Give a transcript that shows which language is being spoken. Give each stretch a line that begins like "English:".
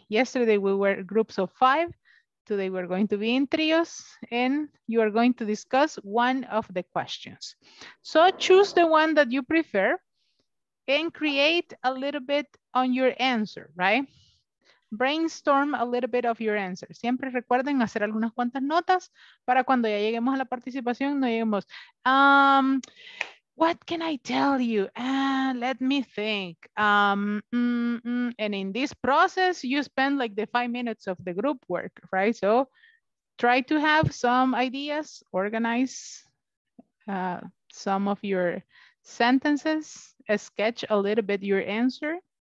English: Yesterday, we were groups of five. Today, we're going to be in trios, and you are going to discuss one of the questions. So choose the one that you prefer and create a little bit on your answer, right? Brainstorm a little bit of your answer.
Spanish: Siempre recuerden hacer algunas cuantas notas para cuando ya lleguemos a la participación, no lleguemos.
English: What can I tell you? Let me think. And in this process, you spend like the 5 minutes of the group work, right? So try to have some ideas, organize some of your sentences, sketch a little bit your answer.